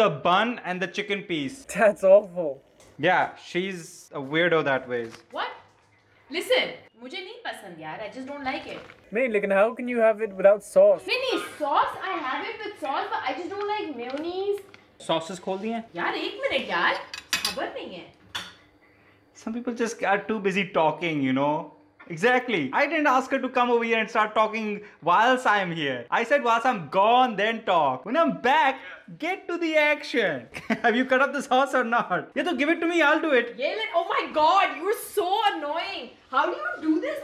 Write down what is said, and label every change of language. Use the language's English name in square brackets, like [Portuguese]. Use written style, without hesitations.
[English] the bun and the chicken piece. That's awful. Yeah, she's a weirdo that ways. What? Listen. [Hindi] मुझे नहीं पसंद यार, [English] I just don't like it. [Hindi] नहीं, लेकिन [English] how can you have it without sauce? [Hindi] नहीं नहीं, [English] sauce I have it with sauce, but I just don't like mayonnaise. [Hindi] Sauces खोल दिए? यार एक मिनट यार, खबर नहीं है. [English] Some people just are too busy talking, you know. Exactly. I didn't ask her to come over here and start talking whilst I'm here. I said whilst I'm gone, then talk. When I'm back, get to the action. Have you cut up the sauce or not? Yeah, so give it to me. I'll do it. Yelan, oh my God, you're so annoying. How do you do this?